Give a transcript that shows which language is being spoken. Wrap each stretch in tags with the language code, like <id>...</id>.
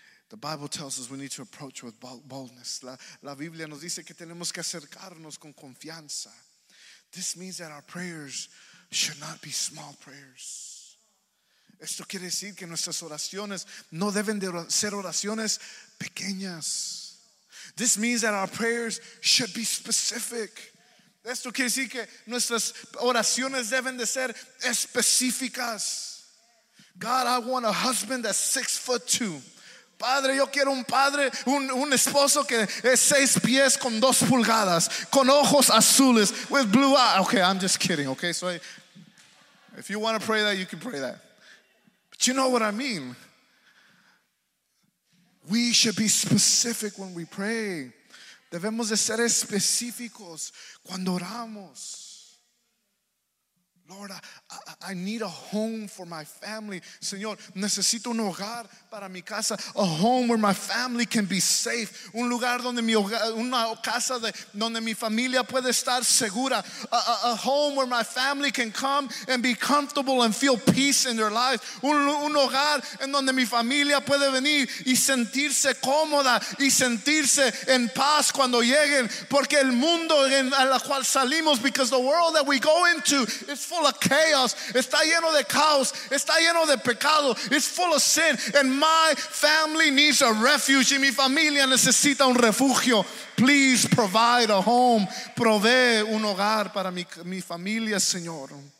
<en>The Bible tells us we need to approach with boldness.</en> <es>La Biblia nos dice que tenemos que acercarnos con confianza.</es> <en>This means that our prayers should not be small prayers.</en> <es>Esto quiere decir que nuestras oraciones no deben de ser oraciones pequeñas.</es> <en>This means that our prayers should be specific.</en> <es>Esto quiere decir que nuestras oraciones deben de ser específicas.</es> <en>God, I want a husband that's 6'2".</en> <es>Padre, yo quiero un padre, un esposo que es 6 pies con 2 pulgadas, con ojos azules,</es> <en>with blue eyes. Okay, I'm just kidding, okay? So if you want to pray that, you can pray that. Do you know what I mean? We should be specific when we pray.</en> <es>Debemos de ser específicos cuando oramos.</es> <en>Lord, I need a home for my family.</en> <es>Señor, necesito un hogar para mi casa.</es> <en>A home where my family can be safe.</en> <es>Un lugar donde mi hogar, una casa de, donde mi familia puede estar segura.</es> <en>A home where my family can come and be comfortable and feel peace in their lives.</en> <es>Un hogar en donde mi familia puede venir y sentirse cómoda y sentirse en paz cuando lleguen. Porque el mundo en el cual salimos,</es> <en>because the world that we go into is full of chaos.</en> <es>Está lleno de caos. Está lleno de pecado.</es> <en>It's full of sin. And my family needs a refuge.</en> <es>Y mi familia necesita un refugio.</es> <en>Please provide a home.</en> <es>Provee un hogar para mi familia, Señor.</es>